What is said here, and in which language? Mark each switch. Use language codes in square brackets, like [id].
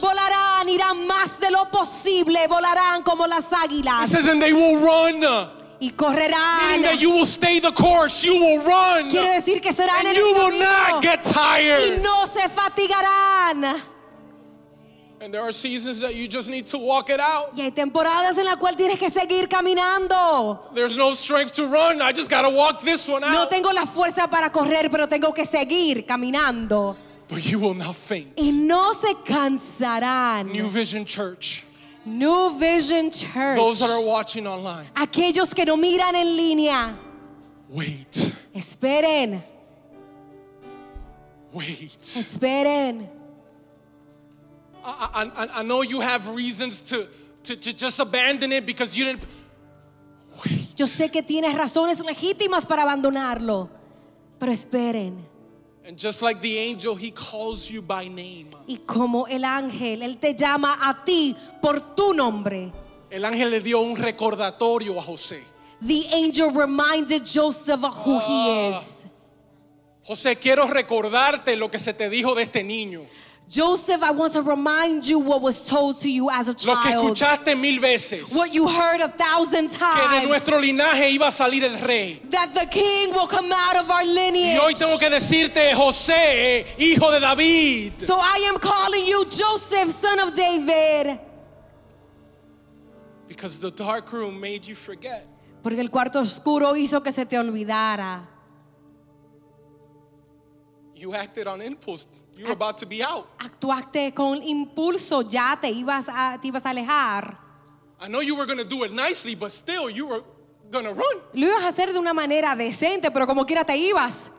[es] Volarán, irán más de lo posible. Volarán como las águilas. [en] He says, and they will run. [es] Y correrán. [en] Meaning that you will stay the course, you will run. [es] Quiero decir que serán [en] and [es] en el [en] you [es] camino. [en] Will not get tired. [es] Y no se fatigarán. [en] And there are seasons that you just need to walk it out. Y hay temporadas en la cual tienes que seguir caminando. There's no strength to run. I just got to walk this one out. [es] No tengo la fuerza para correr, pero tengo que seguir caminando. [en] But you will not faint. [es] Y no se cansarán. [en] New Vision Church. New Vision Church. Those that are watching online. [es] Aquellos que no miran en línea. [en] Wait. [es] Esperen. [en] Wait. [es] Esperen. [en] I know you have reasons to just abandon it because you didn't. Wait. [es] Yo sé que tienes razones legítimas para abandonarlo, pero esperen. [en] And just like the angel, he calls you by name. Y como el ángel, él te llama a ti por tu nombre. [es] El ángel le dio un recordatorio a José. [en] The angel reminded Joseph of who he is. [es] José, quiero recordarte lo que se te dijo de este niño. [en] Joseph, I want to remind you what was told to you as a child. [es] Lo que escuchaste mil veces. [en] What you heard a thousand times. [es] Que de nuestro linaje iba a salir el rey. [en] That the king will come out of our lineage. [es] Y hoy tengo que decirte, José, hijo de David. [en] So I am calling you Joseph, son of David. Because the dark room made you forget. [es] Porque el cuarto oscuro hizo que se te olvidara. [en] You acted on impulse. You were about to be out. [es] Actuaste con impulso, ya te ibas a alejar. [en] I know you were going to do it nicely, but still you were going to run. [es] Lo ibas a hacer de una manera decente, pero como quiera te ibas.